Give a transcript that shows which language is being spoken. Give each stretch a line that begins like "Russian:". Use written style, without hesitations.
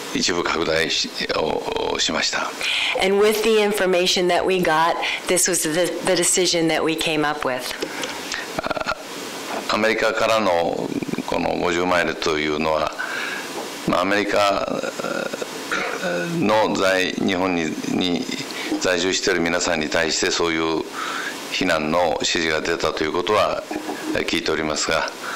Japanese: で、次第にそういったものを含めた判断を、その先ほどの第一の判断と加えて、一部拡大をしました。
English: And with the information that we got, this was the decision that we came up with.
Japanese: アメリカからのこの 50 マイルというのは、アメリカの在日本に 在住している皆さんに対してそういう非難の指示が出たということは聞いておりますが、